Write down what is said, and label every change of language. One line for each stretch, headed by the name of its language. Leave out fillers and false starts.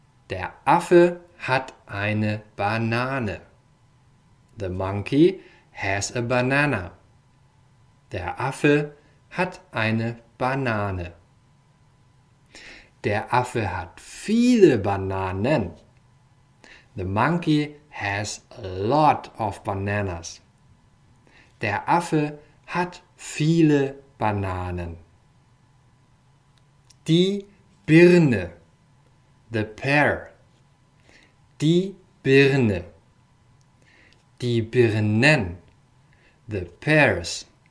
German: Der Affe hat eine Banane.
English: The monkey has a banana.
German: Der Affe hat eine Banane. Der Affe hat viele Bananen.
English: The monkey has a lot of bananas.
German: Der Affe hat viele Bananen. Die Birne.
English: The pear.
German: Die Birne. Die Birnen.
English: The pears.